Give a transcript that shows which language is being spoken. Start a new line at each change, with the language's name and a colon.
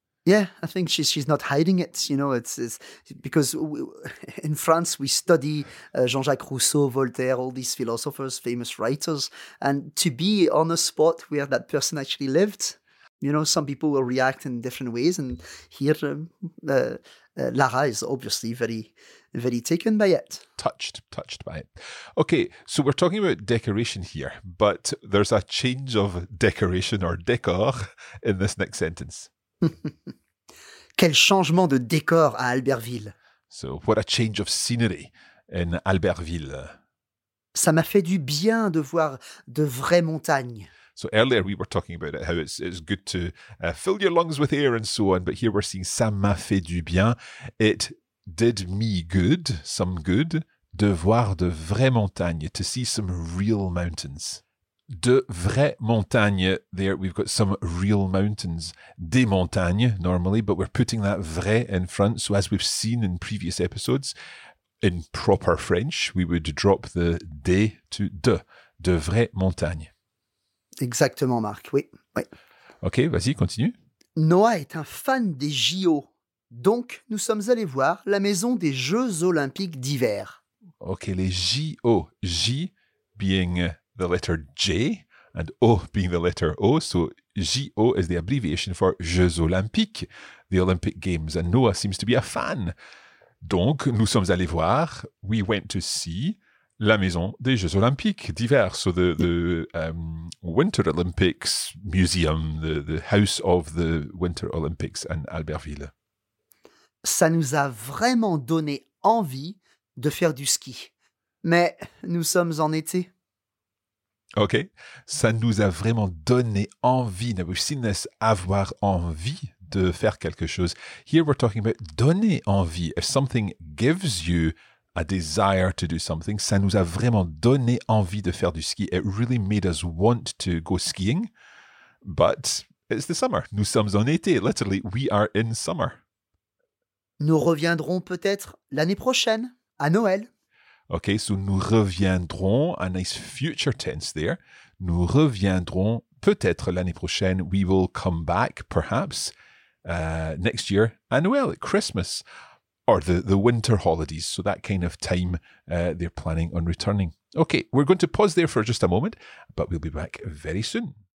English: Yeah, I think she's not hiding it, you know, it's because in France we study Jean-Jacques Rousseau, Voltaire, all these philosophers, famous writers, and to be on a spot where that person actually lived, you know, some people will react in different ways, and here Lara is obviously very, very taken by it. Touched by it. Okay, so we're talking about decoration here, but there's a change of decoration or décor in this next sentence.
French: Quel changement de décor à Albertville.
English: So, what a change of scenery in Albertville.
French: Ça m'a fait du bien de voir de vraies montagnes.
English: So, earlier we were talking about it, how it's good to fill your lungs with air and so on, but here we're seeing
French: ça m'a fait du bien.
English: It did me good, some good,
French: de voir de vraies montagnes,
English: to see some real mountains.
French: De vraies montagnes,
English: there we've got some real mountains. Des montagnes, normally, but we're putting that vrai in front. So as we've seen in previous episodes, in proper French, we would drop the des to
French: de vraies montagnes. Exactement, Marc, oui. Ok, vas-y, continue. Noah est un fan des JO, Donc, nous sommes allés voir la maison des Jeux Olympiques d'hiver. Ok, les J-O.
English: J being the letter J and O being the letter O. So, J-O is the abbreviation for Jeux Olympiques, the Olympic Games. And Noah seems to be a fan.
French: Donc, nous sommes allés voir,
English: we went to see,
French: la maison des Jeux Olympiques d'hiver.
English: So, the Winter Olympics Museum, the house of the Winter Olympics in Albertville.
French: Ça nous a vraiment donné envie de faire du ski. Mais nous sommes en été. OK. Ça nous a vraiment donné envie.
English: Now we've seen this,
French: avoir envie de faire quelque chose.
English: Here we're talking about donner envie. If something gives you a desire to do something,
French: ça nous a vraiment donné envie de faire du ski.
English: It really made us want to go skiing. But it's the summer.
French: Nous sommes en été.
English: Literally, we are in summer.
French: Nous reviendrons peut-être l'année prochaine, à Noël.
English: OK, so nous reviendrons, a nice future tense there.
French: Nous reviendrons peut-être l'année prochaine.
English: We will come back, perhaps, next year,
French: à Noël,
English: at Christmas, or the winter holidays. So that kind of time they're planning on returning. OK, we're going to pause there for just a moment, but we'll be back very soon.